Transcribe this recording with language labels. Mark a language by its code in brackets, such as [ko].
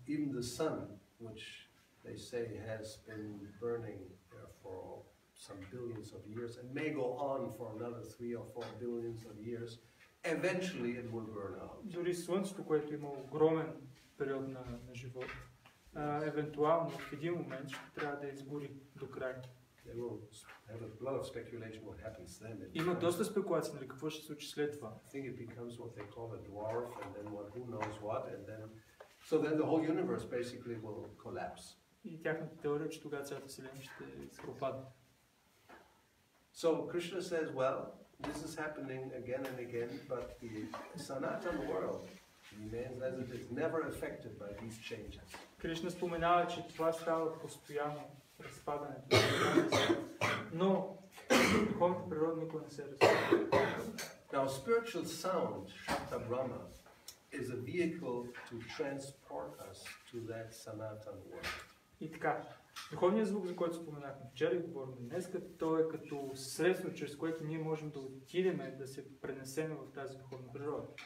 [en] even the sun, which they say has been burning there for some billions of years and may go on for another 3 or 4 billions of years, eventually it will burn out. [bg] Дори слънцето, което има огромен период на живот, евентуално в един момент ще трябва да изгори до край. [en] There will have a lot of speculation what happens then. [bg] Има доста спекулации, нали, какво ще се случи след това. [en] I think it becomes what they call a dwarf, and then what, who knows what, and then so then the whole universe basically will collapse. [bg] И тяхната теория, че тогава цялата вселена ще пропадне. [en] So Krishna says, well, this is happening again and again, but the Sanatana world remains as it is, never affected by these changes. [bg] Кришна споменава, че това става постоянно. Разпадането. Но духовната природа никога не се разпада. [en] Now spiritual sound, Shabda Brahma, is a vehicle to transport us to that Sanatana world. [bg] И така, духовният звук, за който споменахме вчера и говорим днес, то е като средство, чрез което ние можем да отидем да се пренесем в тази духовна природа.